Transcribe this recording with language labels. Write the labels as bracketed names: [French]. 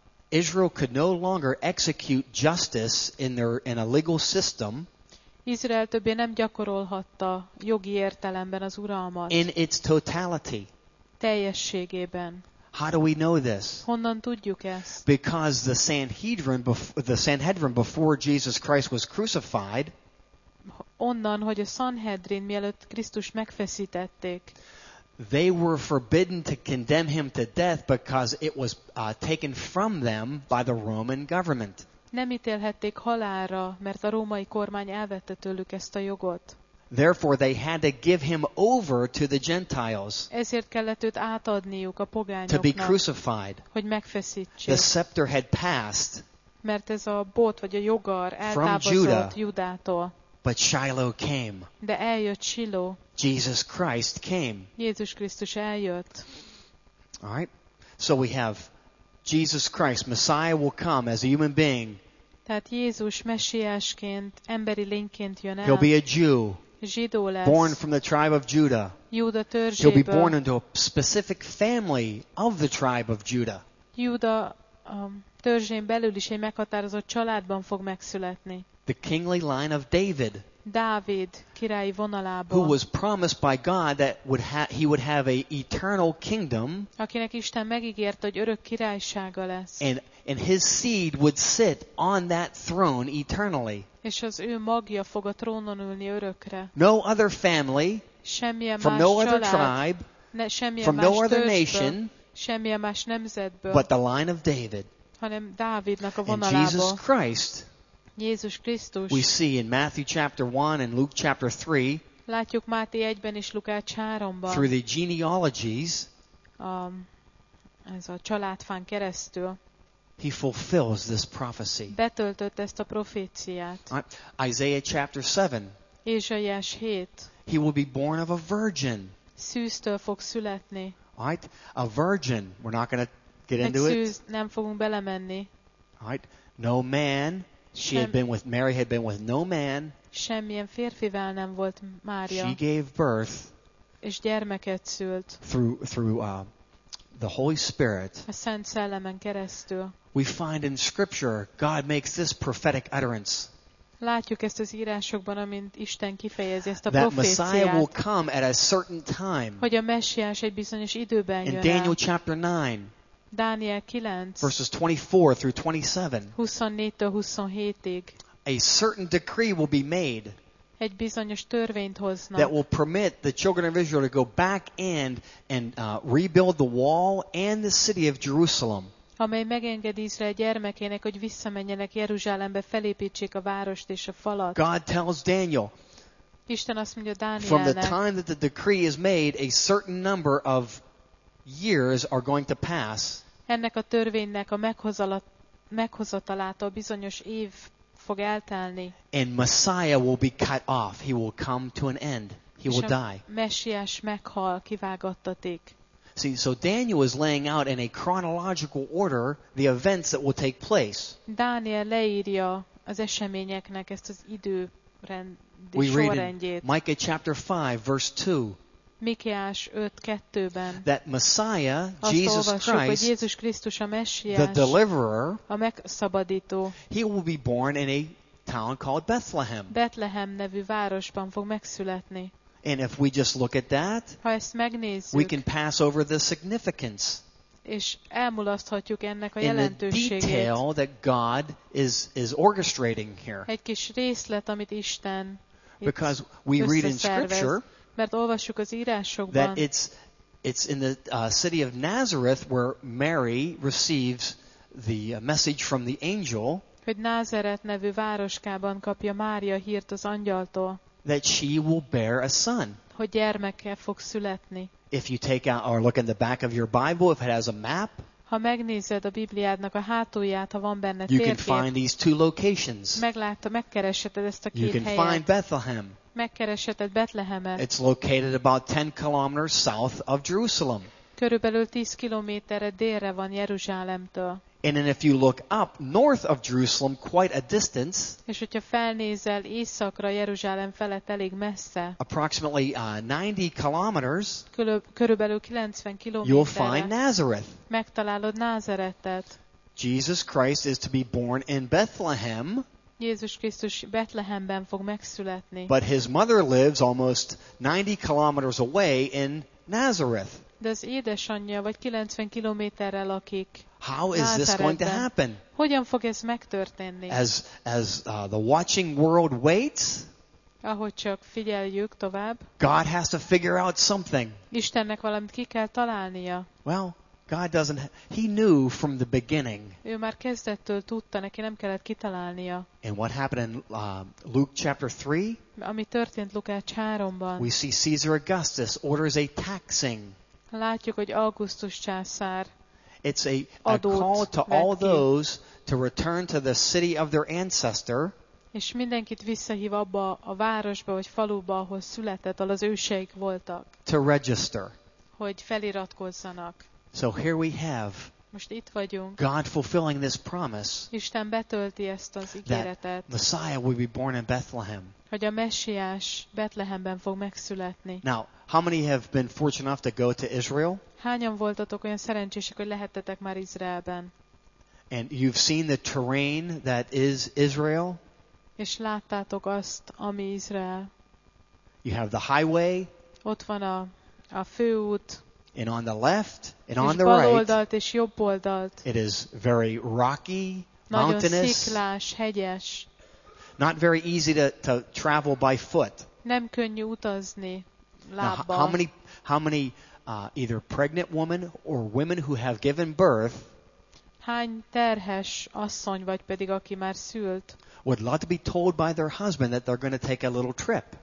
[English] Israel could no longer execute justice in a legal system. [Hungarian] Izrael többé nem gyakorolhatta jogi értelemben az uralmat. [English] In its totality. [Hungarian] Teljességében. [English] How do we know this? [Hungarian] Honnan tudjuk ezt? [English] Because the Sanhedrin before Jesus Christ was crucified. [Hungarian] Onnan, hogy a Sanhedrin mielőtt Krisztus megfeszítették. [English] They were forbidden to condemn him to death because it was taken from them by the Roman government. [Hungarian] Nem ítélhették halálra, mert a római kormány elvette tőlük ezt a jogot. [English] Therefore they had to give him over to the Gentiles. [Hungarian] Ezért kellett őt átadniuk a pogányoknak. [English] To be crucified. [Hungarian] Hogy megfeszítsék. [English] The scepter had passed. [Hungarian] Mert ez a bot vagy a jogar eltávozott Judától. [English] But Shiloh came. [Hungarian] De eljött Shiloh. [English] Jesus Christ came. [Hungarian] Jézus Krisztus eljött. [English] All right. So we have Jesus Christ, Messiah will come as a human being. [Hungarian] Tehát Jézus messiásként, emberi lényként jön el. [English] He'll be a Jew. [Hungarian] Zsidó lesz. [English] Born from the tribe of Judah. [Hungarian] Júda törzséből. [English] He'll be born into a specific family of the tribe of Judah. [Hungarian] Júda törzsén belül is egy meghatározott családban fog megszületni. [English] The kingly line of David. [Hungarian] Dávid királyi vonalából. [English] Who was promised by God that he would have a eternal kingdom. [Hungarian] Akinek Isten megígért, hogy örök királysága lesz. [English] And his seed would sit on that throne eternally. [Hungarian] És az ő magja fog a trónon ülni örökre. [English] No other family. [Hungarian] Semmilyen más [English] from no [Hungarian] család, [English] other tribe. [Hungarian] Semmilyen [English] from [Hungarian] más [English] no [Hungarian] törzsből, [English] other nation. [Hungarian] Semmilyen más nemzetből. [English] But the line of David. [Hungarian] Hanem Dávidnak a vonalából. [English] And Jesus Christ. [Hungarian] Jézus Krisztus. [English] We see in Matthew chapter 1 and Luke chapter 3. [Hungarian] Látjuk Máté 1-ben és Lukács 3-ban. [English] Through the genealogies. [Hungarian] Ez a családfán keresztül. [English] He fulfills this prophecy. [Hungarian] Betöltött ezt a proféciát. [English] Isaiah chapter 7. [Hungarian] Ézsaiás 7. [English] He will be born of a virgin. [Hungarian] Szűztől fog születni. [English] Right? A virgin. We're not going to get into it. [Hungarian] Szűz, nem fogunk belemenni. [English] Right? No man. She had been with Mary had been with no man. [Hungarian] Semmilyen férfivel nem volt Mária. [English] She gave birth. [Hungarian] És gyermeket szült. [English] Through the Holy Spirit. [Hungarian] A Szent Szellemen keresztül. [English] We find in Scripture God makes this prophetic utterance. [Hungarian] Látjuk ezt az írásokban, amint Isten kifejezi ezt a proféciát. [English] That Messiah will come at a certain time. [Hungarian] Hogy a messiás egy bizonyos időben jön. [English] In Daniel chapter 9. [Hungarian] Dániel 9, [English] verses 24 through 27. [Hungarian] 24-től 27-ig. [English] A certain decree will be made. [Hungarian] Egy bizonyos törvényt hoznak. [English] That will permit the children of Israel to go back and rebuild the wall and the city of Jerusalem. [Hungarian] Amely megengedi Izrael gyermekének, hogy visszamenjenek Jeruzsálembe, felépítsék a várost és a falat. [English] God tells Daniel. [Hungarian] Isten azt mondja Dánielnek. [English] From the time that the decree is made, a certain number of years are going to pass. [Hungarian] Ennek a törvénynek a meghozatalától bizonyos év fog eltelni. [English] And Messiah will be cut off. He will come to an end. He will die. [Hungarian] Messiás meghal, kivágattatik. [English] See, so Daniel is laying out in a chronological order the events that will take place. [Hungarian] Dániel leírja az eseményeknek ezt az időrendi sorrendjét. [English] Micah chapter 5 verse 2. [Hungarian] Mikiás 5:2-ben. [English] That Messiah, Jesus Christ, [Hungarian] hogy Jézus Krisztus a Messiás, [English] the deliverer, [Hungarian] a megszabadító. [English] He will be born in a town called Bethlehem. [Hungarian] Betlehem nevű városban fog megszületni. [English] And if we just look at that, [Hungarian] ha ezt megnézzük, [English] we can pass over the significance. [Hungarian] És elmulaszthatjuk ennek a jelentőségét. [English] The detail that God is orchestrating here. [Hungarian] Egy kis részlet, amit Isten [English] Because we read in scripture, [Hungarian] mert olvassuk az írásokban, [English] that it's in the city of Nazareth where Mary receives the message from the angel, [Hungarian] hogy Názaret nevű városkában kapja Mária hírt az angyaltól, [English] that she will bear a son. [Hungarian] Hogy gyermeke fog születni. [English] If you take out or look in the back of your Bible, if it has a map, [Hungarian] ha megnézed a Bibliádnak a hátulját, ha van benne térkép, [English] you can find these two locations. [Hungarian] Megkeresheted ezt a két helyet. [English] You can find Bethlehem. [Hungarian] Megkeresheted Betlehemet. [English] It's located about 10 kilometers south of Jerusalem. [Hungarian] Körülbelül 10 kilométerre délre van Jeruzsálemtől. [English] And then if you look up north of Jerusalem, quite a distance, [Hungarian] és hogyha felnézel északra, Jeruzsálem felett elég messze, [English] approximately 90 kilometers, [Hungarian] körülbelül 90 kilométerre, [English] you'll find Nazareth. [Hungarian] Megtalálod Názaretet. [English] Jesus Christ is to be born in Bethlehem. [Hungarian] Jézus Krisztus Betlehemben fog megszületni. [English] But his mother lives almost 90 kilometers away in Nazareth. [Hungarian] De az édesanyja vagy 90 kilométerrel lakik. [English] How is this going to happen? [Hungarian] Hogyan fog ez megtörténni? [English] As the watching world waits, [Hungarian] ahogy csak figyeljük tovább, [English] God has to figure out something. [Hungarian] Istennek valamit ki kell találnia. [English] Well, God doesn't. He knew from the beginning. [Hungarian] Ő már kezdettől tudta, neki nem kellett kitalálnia. [English] And what happened in Luke chapter 3? [Hungarian] Ami történt Lukács 3-ban. [English] We see Caesar Augustus orders a taxing. [Hungarian] Látjuk, hogy Augustus császár. [English] It's a call to all those to return to the city of their ancestor. [Hungarian] És mindenkit visszahív abba a városba vagy faluba, ahol született, ahol az őseik voltak. [English] To register. [Hungarian] Hogy feliratkozzanak. [English] So here we have. [Hungarian] Most itt vagyunk. [English] God fulfilling this promise. [Hungarian] Isten betölti ezt az ígéretet. [English] Messiah will be born in Bethlehem. [Hungarian] Hogy a Messiás Betlehemben fog megszületni. [English] Now, how many have been fortunate enough to go to Israel? [Hungarian] Hányan voltatok olyan szerencsések, hogy lehettetek már Izraelben? [English] And you've seen the terrain that is Israel? [Hungarian] És láttátok azt, ami Izrael. [English] You have the highway. [Hungarian] Ott van a főút. [English] And on the left and on the right. [Hungarian] Bal oldalt és jobb oldalt. [English] It is very rocky, [Hungarian] nagyon [English] mountainous. [Hungarian] Nagyon sziklás, hegyes. [English] Not very easy to travel by foot. [Hungarian] Nem könnyű utazni lábbal. [English] Now, how many either pregnant women or women who have given birth? [Hungarian] Hány terhes asszony vagy pedig aki már szült? [English] Would love to be told by their husband that they're going to take a little trip.